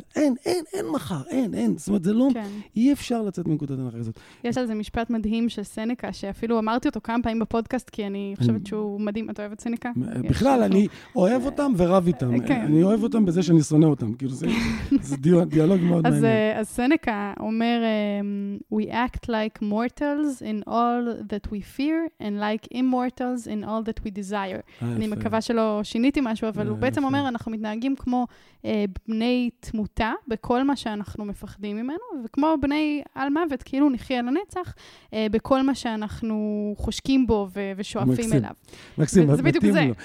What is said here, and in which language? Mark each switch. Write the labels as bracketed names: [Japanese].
[Hebrew] אין מחר, אין. זאת אומרת, זה לא, אי אפשר לצאת מנקודת הנחה הזאת. יש על זה משפט מדהים של סנקה, שאפילו אמרתי אותו כמה פעמים בפודקאסט, כי אני חושבת שהוא מדהים. את אוהבת סנקה? בכלל, אני אוהב אותם ורב איתם. אני אוהב אותם בזה שאני שונא אותם. זה דיאלוג מאוד מעניין. אומר, [English] we act like mortals in all that we fear and like immortals in all that we desire. [Hebrew] אני מקווה שלא שיניתי משהו, אבל הוא בעצם אומר, אנחנו מתנהגים כמו בני תמותה בכל מה שאנחנו מפחדים ממנו, וכמו בני על מוות, כאילו נחיה לנצח, בכל מה שאנחנו חושקים בו ושואפים אליו. מקסים, זה בדיוק זה.